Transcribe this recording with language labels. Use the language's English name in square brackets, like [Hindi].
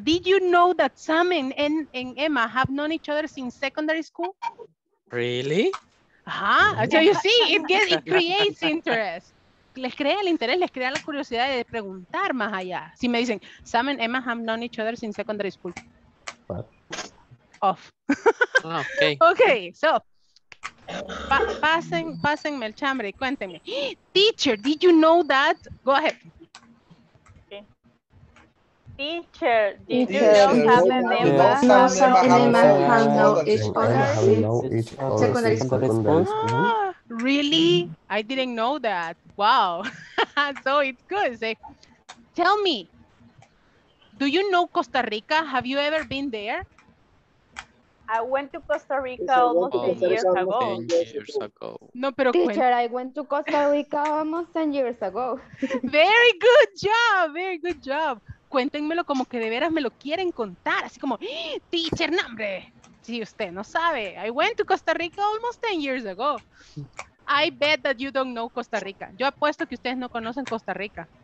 [English] did you know that Sam and Emma have known each other since secondary school? Really? Uh-huh. So you see, it creates interest. [Spanish] Les crea el interés, les crea la curiosidad de preguntar más allá. Si me dicen, [English] Sam and Emma have known each other since secondary school. Off. Okay. [Spanish] So, pásenme el chambre y cuéntenme. [English] Teacher, did you know that? Go ahead. Teacher, did you know Sam and Emma have known each other since secondary school? Really? I didn't know that. Wow. So it's good. So, tell me, do you know Costa Rica? Have you ever been there? I went to Costa Rica almost 10 years ago. [Spanish] No, pero [English] teacher, I went to Costa Rica almost 10 years ago. Very good job. Very good job. [Spanish] cuéntenmelo como que de veras me lo quieren contar, así como, teacher, nombre. Si usted no sabe, [English] I went to Costa Rica almost 10 years ago. I bet that you don't know Costa Rica. [Spanish] Yo apuesto que ustedes no conocen Costa Rica.